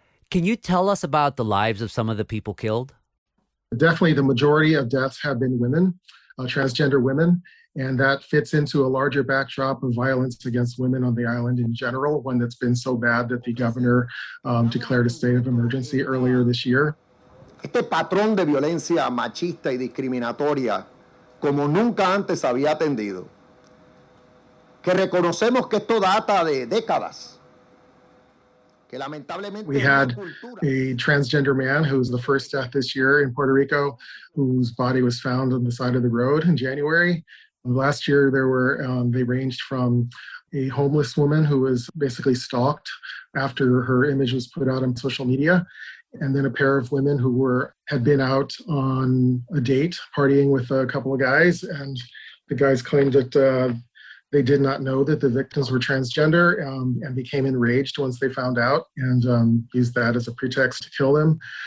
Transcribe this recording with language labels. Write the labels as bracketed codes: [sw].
[en] Can you tell us about the lives of some of the people killed? Definitely the majority of deaths have been women, transgender women. And that fits into a larger backdrop of violence against women on the island in general, one that's been so bad that the governor declared a state of emergency earlier this year. [es] Este patrón de violencia machista y discriminatoria, como nunca antes había atendido, que reconocemos que esto data de décadas. [en] We had a transgender man who was the first death this year in Puerto Rico, whose body was found on the side of the road in January. Last year, there were they ranged from a homeless woman who was basically stalked after her image was put out on social media, and then a pair of women who had been out on a date partying with a couple of guys, and the guys claimed that they did not know that the victims were transgender and became enraged once they found out and used that as a pretext to kill them.